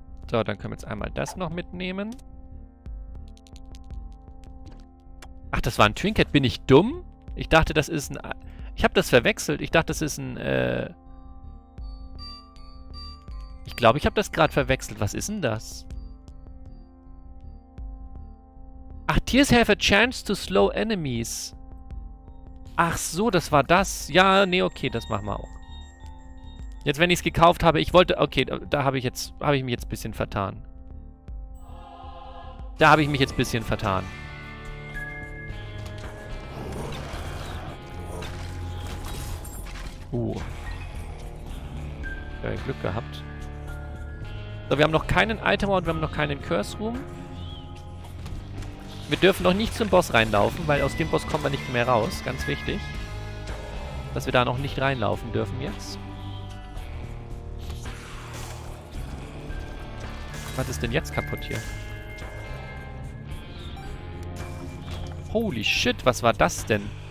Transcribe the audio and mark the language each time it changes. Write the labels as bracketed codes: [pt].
[de] So, dann können wir jetzt einmal das noch mitnehmen. Ach, das war ein Trinket. Bin ich dumm? Ich dachte, das ist ein. Ich habe das verwechselt. Ich dachte, das ist ein. Ich glaube, ich habe das gerade verwechselt. Was ist denn das? [en] Ach, Tears have a chance to slow enemies. [de] Ach so, das war das. Ja, nee, okay, das machen wir auch. Jetzt, wenn ich es gekauft habe, ich wollte. Okay, da habe ich mich jetzt ein bisschen vertan. Da habe ich mich jetzt ein bisschen vertan. Ja, Glück gehabt. So, wir haben noch keinen Item und wir haben noch keinen Curse Room. Wir dürfen noch nicht zum Boss reinlaufen, weil aus dem Boss kommen wir nicht mehr raus. Ganz wichtig. dass wir da noch nicht reinlaufen dürfen jetzt. Was ist denn jetzt kaputt hier? [en] Holy shit, [de] was war das denn?